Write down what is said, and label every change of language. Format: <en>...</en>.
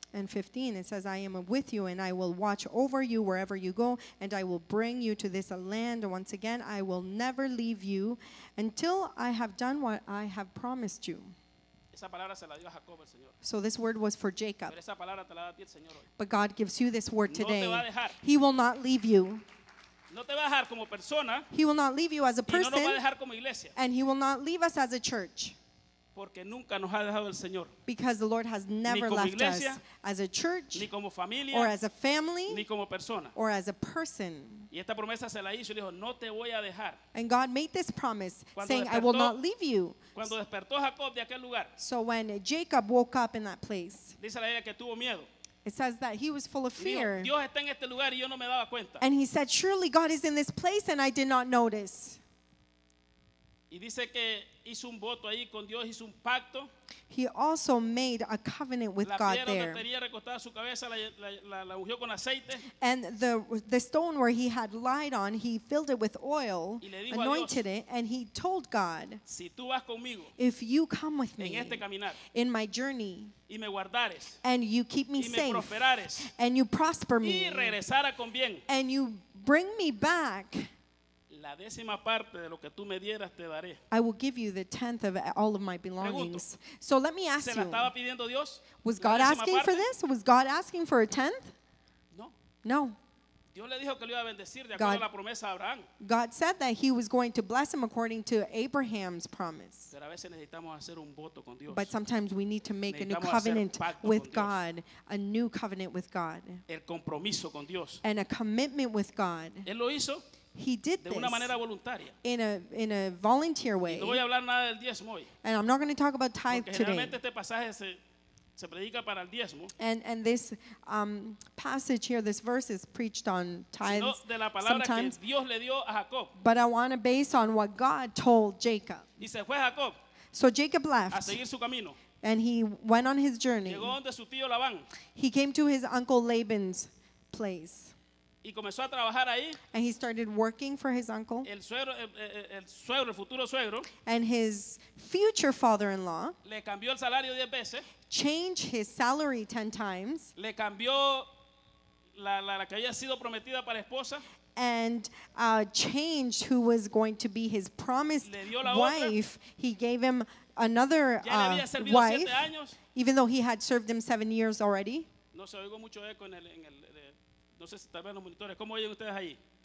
<en>And 15, it says, I am with you and I will watch over you wherever you go, and I will bring you to this land. Once again, I will never leave you until I have done what I have promised you.</en> <es>Esa palabra se la dio a Jacob, el Señor.</es> <en>So this word was for Jacob.</en> <es>Pero esa palabra te la da a ti, el Señor, hoy.</es> <en>But God gives you this word today.</en> <es>No te va a dejar.</es> <en>He will not leave you.</en> <es>No te va a dejar como persona.</es> <en>He will not leave you as a person.</en> <es>Y no nos va a dejar como iglesia.</es> <en>And he will not leave us as a church.</en> <es>Porque nunca nos ha dejado el Señor.</es> <en>Because the Lord has never left</en> <es>iglesia,</es> <en>us as a church,</en> <es>ni como familia,</es> <en>or as a family,</en> <es>ni como persona,</es> <en>or as a person.</en> <es>Y esta promesa se la hizo y dijo, no te voy a dejar.</es> <en>And God made this promise,</en> <es>cuando</es> <en>saying,</en> <es>despertó,</es> <en>I will not leave you.</en> <es>Cuando despertó Jacob de aquel lugar,</es> <en>so when Jacob woke up in that place,</en> <es>dice la Biblia que tuvo miedo.</es> <en>It says that he was full of fear.</en> <es>Dijo, Dios está en este lugar y yo no me daba cuenta.</es> <en>And he said, surely God is in this place and I did not notice.</en> <es>Y dice que hizo un voto ahí con Dios, hizo un pacto.</es> <en>He also made a covenant with God there.</en> <es>La piedra donde tenía recostada su cabeza la ungió con aceite.</es> <en>And the stone where he had lied on, he filled it with oil,</en> <es>y le dijo</es> <en>anointed</en> <es>a Dios,</es> <en>it, and he told God,</en> <es>si tú vas conmigo,</es> <en>if you come with me</en> <es>en este caminar,</es> <en>in my journey,</en> <es>y me guardares,</es> <en>and you keep me</en> <es>y</es> <en>safe,</en> <es>me prosperares,</es> <en>and you prosper me,</en> <es>y regresara con bien,</es> <en>and you bring me back,</en> <es>la décima parte de lo que tú me dieras te daré.</es> <en>I will give you the tenth of all of my belongings.</en> <es>Pregunto,</es> <en>so let me ask you.</en> <es>¿Se la estaba pidiendo Dios?</es> <en>Was God asking</en> <es>parte?</es> <en>For this? Was God asking for a tenth?</en> <es>No.</es> <en>No.</en> <es>Dios le dijo que lo iba a bendecir de acuerdo a la promesa de Abraham.</es> <en>God said that he was going to bless him according to Abraham's promise.</en> <es>Pero a veces necesitamos hacer un voto con Dios.</es> <en>But sometimes we need to make a new covenant with God. A new covenant with God.</en> <es>El compromiso con Dios.</es> <en>And a commitment with God.</en> <es>Él lo hizo.</es> <en>He did this</en> <es>de una manera voluntaria.</es> <en>In a volunteer way.</en> <es>Y no voy a hablar nada del diezmo hoy.</es> <en>And I'm not going to talk about tithe today.</en> <es>Porque generalmente este pasaje se predica para el diezmo.</es> <en>And this passage here, this verse is preached on tithes</en> <es>de la palabra</es> <en>sometimes.</en> <es>Que Dios le dio a Jacob.</es> <en>But I want to base on what God told Jacob.</en> <es>Y se fue Jacob.</es> <en>So Jacob left.</en> <es>A seguir su camino.</es> <en>And he went on his journey.</en> <es>Llegó donde su tío Labán.</es> <en>He came to his uncle Laban's place.</en> <es>Y comenzó a trabajar ahí.</es> <en>And he started working for his uncle.</en> <es>El futuro suegro.</es> <en>And his future father-in-law.</en> <es>Le cambió el salario 10 veces.</es> <en>Changed his salary 10 times.</en> <es>Le cambió la que había sido prometida para esposa.</es> <en>And changed who was going to be his promised wife.</en> <es>Otra.</es> <en>He gave him another wife.</en> <es>Años.</es> <en>Even though he had served him 7 years already.</en> <es>No se oigo mucho eco en el No sé si están viendo los monitores. ¿Cómo oyen ustedes ahí?</es>